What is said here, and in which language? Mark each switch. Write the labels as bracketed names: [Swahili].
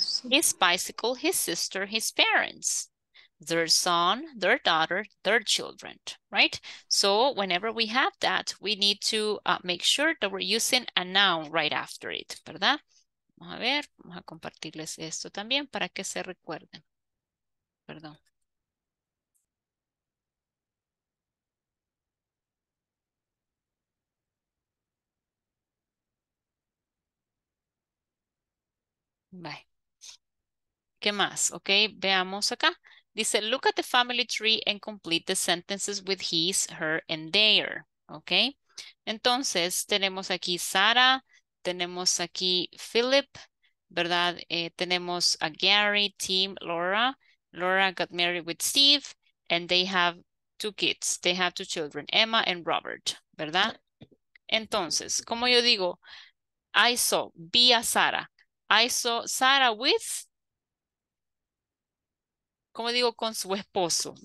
[English] His bicycle, his sister, his parents, their son, their daughter, their children, right? So whenever we have that, we need to make sure that we're using a noun right after it, ¿verdad? [Spanish] Vamos a ver, vamos a compartirles esto también para que se recuerden. Perdón. Bye. ¿Qué más? Ok, veamos acá. [English] Dice, look at the family tree and complete the sentences with his, her, and their. Okay. [Spanish] Entonces, tenemos aquí Sara, tenemos aquí Philip, ¿verdad? Tenemos a Gary, Tim, Laura. [English] Laura got married with Steve, and they have two kids. They have two children, Emma and Robert, [Spanish] ¿verdad? Entonces, como yo digo, [English] I saw, [Spanish] vi a Sara. [English] I saw Sara with, [Spanish] como digo, con su esposo.